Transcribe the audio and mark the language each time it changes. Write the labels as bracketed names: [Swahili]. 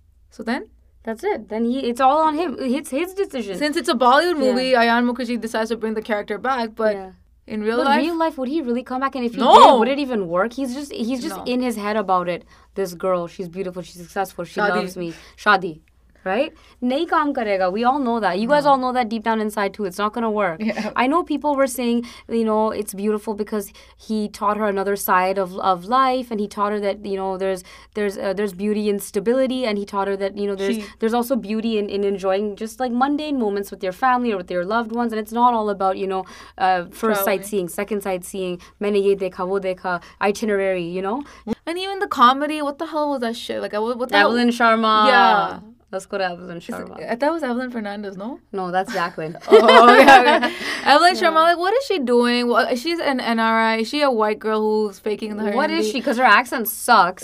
[English] So then? That's it. Then it's all on him. It's his decision. Since it's a Bollywood movie, Ayan Mukherjee decides to bring the character back, but... Yeah. In real life, would he really come back? And if he did, would it even work? He's just in his head about it. This girl, she's beautiful, she's successful, she loves me. [Hindi] शादी, [English] right? [Hindi] नहीं काम करेगा. [English] We all know that. You guys all know that deep down inside too. It's not going to work. Yeah. I know people were saying, you know, it's beautiful because he taught her another side of life. And he taught her that, you know, there's beauty in stability. And he taught her that, you know, there's also beauty in enjoying just like mundane moments with your family or with your loved ones. And it's not all about, you know, first sightseeing, second sightseeing. [Hindi] मैंने ये देखा, वो देखा, itinerary, [English] you know? And even the comedy, what the hell was that shit? Like, what the Evelyn Sharma. Yeah. Let's go to Evelyn Sharma. I thought it was Evelyn Fernandez, no? No, that's Jacqueline. Oh, okay. Evelyn Sharma, like, what is she doing? Well, she's an NRI. Is she a white girl who's faking her What Hindi? Is she? Because her accent sucks.